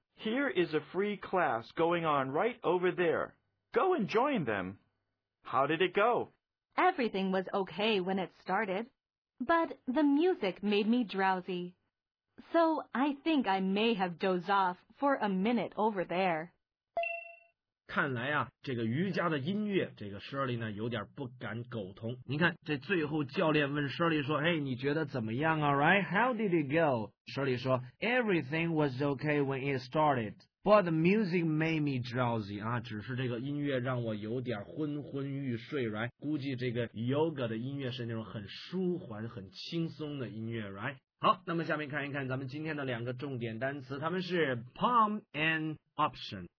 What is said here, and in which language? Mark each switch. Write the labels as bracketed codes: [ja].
[en] Here is a free class going on right over there. Go and join them. How did it go? Everything was okay when it started, but the music made me drowsy. So I think I may have dozed off for a minute over there. [zh] 看来啊，这个瑜伽的音乐，这个 Shirley 呢有点不敢苟同。你看，这最后教练问 Shirley 说：“哎，你觉得怎么样啊 ？”Right? [en] How did it go? Shirley 说 ：“Everything was okay when it started.” But the music made me drowsy [zh] 啊，只是这个音乐让我有点昏昏欲睡 ，right？估计这个 yoga 的音乐是那种很舒缓、很轻松的音乐 ，right？好，那么下面看一看咱们今天的两个重点单词，他们是 pump and option。